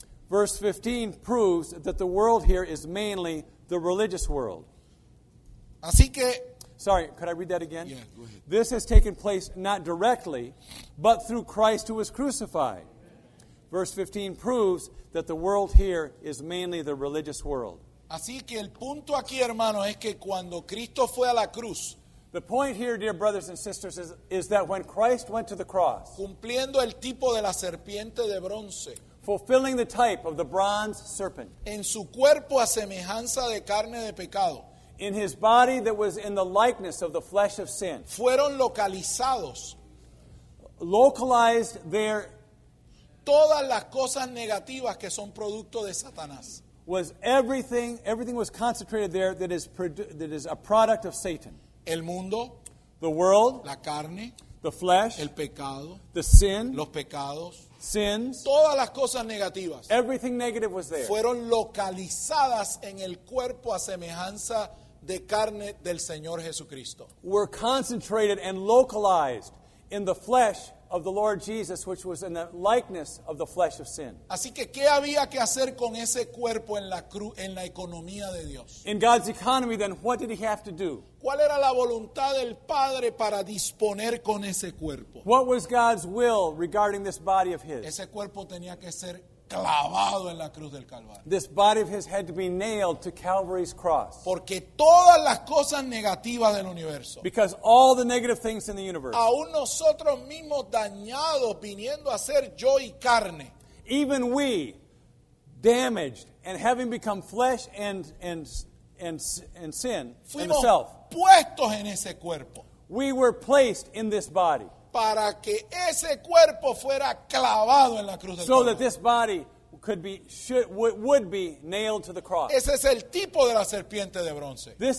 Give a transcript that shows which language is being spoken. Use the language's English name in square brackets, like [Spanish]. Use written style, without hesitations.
[English] Verse 15 proves that the world here is mainly the religious world. [Spanish] Así que, [English] sorry, could I read that again? Yeah, go ahead. This has taken place not directly, but through Christ who was crucified. Verse 15 proves that the world here is mainly the religious world. [Spanish] Así que el punto aquí, hermano, es que cuando Cristo fue a la cruz, [English] the point here, dear brothers and sisters, is that when Christ went to the cross, [Spanish] cumpliendo el tipo de la serpiente de bronce, [English] fulfilling the type of the bronze serpent, [Spanish] en su cuerpo a semejanza de carne de pecado, [English] in his body that was in the likeness of the flesh of sin, [Spanish] fueron localizados, [English] localized there, [Spanish] todas las cosas negativas que son producto de Satanás. [English] Was everything was concentrated there that is a product of Satan. [Spanish] El mundo, [English] the world, [Spanish] la carne, [English] the flesh, [Spanish] el pecado, [English] the sin, [Spanish] los pecados, [English] sins, [Spanish] todas las cosas negativas, [English] everything negative was there. [Spanish] Fueron localizadas en el cuerpo a semejanza de carne del Señor Jesucristo. [English] Were concentrated and localized in the flesh of the Lord Jesus, which was in the likeness of the flesh of sin. [Spanish] Así que, ¿qué había que hacer con ese cuerpo en la cruz, en la economía de Dios? [English] In God's economy, then, what did he have to do? [Spanish] ¿Cuál era la voluntad del Padre para disponer con ese cuerpo? [English] What was God's will regarding this body of his? [Spanish] Ese cuerpo tenía que ser clavado en la cruz del Calvario. [English] This body of his had to be nailed to Calvary's cross. [Spanish] Porque todas las cosas negativas del universo, [English] because all the negative things in the universe, [Spanish] aún nosotros mismos dañados viniendo a ser yo y carne, [English] even we damaged and having become flesh and sin [Spanish] fuimos [English] and the self, [Spanish] puestos en ese cuerpo, [English] we were placed in this body, [Spanish] para que ese cuerpo fuera clavado en la cruz del [English] So that this body could be, would be nailed to the cross. [Spanish] Ese es el tipo de la serpiente de bronce.